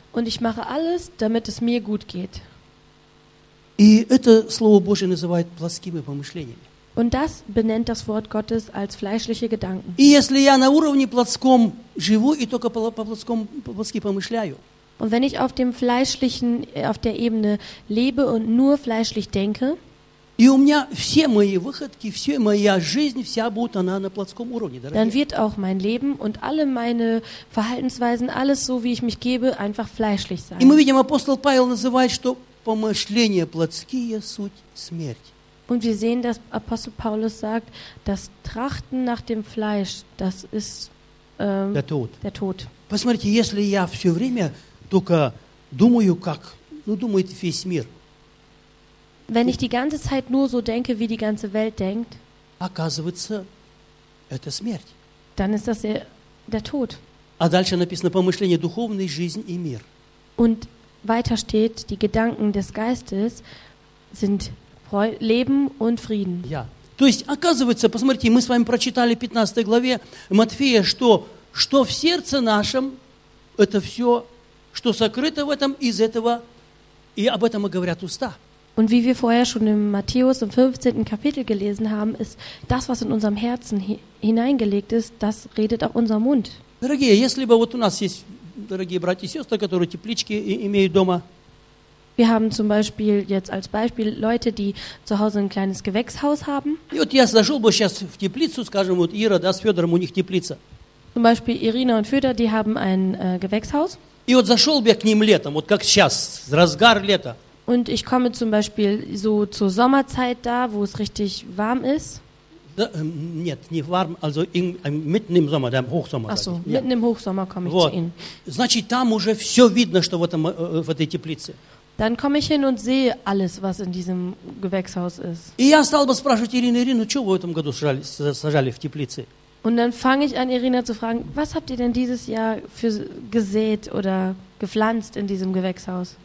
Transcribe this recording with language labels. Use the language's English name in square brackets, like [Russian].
[German] Und ich mache alles, damit es mir gut geht. [Russian] И это Слово Божие называет плотскими помышлениями. [German] Und das benennt das Wort Gottes als fleischliche Gedanken. [Russian] И если я на уровне плотском живу и только по плотски помышляю, [German] und wenn ich auf dem fleischlichen, auf der Ebene lebe und nur fleischlich denke, [Russian] и у меня все мои выходки, все моя жизнь, вся будет она на плотском уровне, дорогие. [German] Dann wird auch mein Leben und alle meine Verhaltensweisen, alles so, wie ich mich gebe, einfach fleischlich sein. [Russian] И мы видим, апостол Павел называет, что помышления плотские – суть смерть. [German] Und wir sehen, dass Apostel Paulus sagt, das Trachten nach dem Fleisch, das ist der Tod. [Russian] Посмотрите, если я все время только думаю, как, ну, думает весь мир. [German] Wenn ich die ganze Zeit nur so denke, wie die ganze Welt denkt, [Russian] оказывается, это смерть. [German] Dann ist das der Tod. [Russian] А дальше написано, помышления духовные, жизнь и мир. [German] Und weiter steht, die Gedanken des Geistes sind Leben und Frieden. Ja. [Russian] То есть, оказывается, посмотрите, мы с вами прочитали в 15 главе Матфея, что в сердце нашем это все, что сокрыто в этом, из этого, и об этом и говорят уста. [German] Und wie wir vorher schon im Matthäus im 15. Kapitel gelesen haben, ist das, was in unserem Herzen hineingelegt ist, das redet auch unser Mund. [Russian] Дорогие, если бы вот у нас есть дорогие братья и сестры, которые теплички имеют дома. [German] Wir haben zum Beispiel jetzt als Beispiel Leute, die zu Hause ein kleines Gewächshaus haben. [Russian] И вот я зашел бы сейчас в теплицу, скажем, вот Ира, да, с Федором, у них теплица. [German] Zum Beispiel Ирина und Федор, die haben ein Gewächshaus. [Russian] И вот зашел бы я к ним летом, вот как сейчас, разгар лета. [German] Und ich komme zum Beispiel so zur Sommerzeit da, wo es richtig warm ist. [Russian] Да, нет, не варм, [German] also mitten im Sommer, [Russian] да, Hochsommer. [German] Ach so, mitten im Hochsommer komme ich zu Ihnen. [Russian] Значит, там уже все видно, что в этой теплице. [German] Dann komme ich hin und sehe alles, was in diesem Gewächshaus ist. [Russian] И я стал бы спрашивать Ирину, что вы в этом году сажали в теплице? [German] Und dann fange ich an, Ирина zu fragen, was habt ihr denn dieses Jahr für gesät oder gepflanzt in diesem Gewächshaus?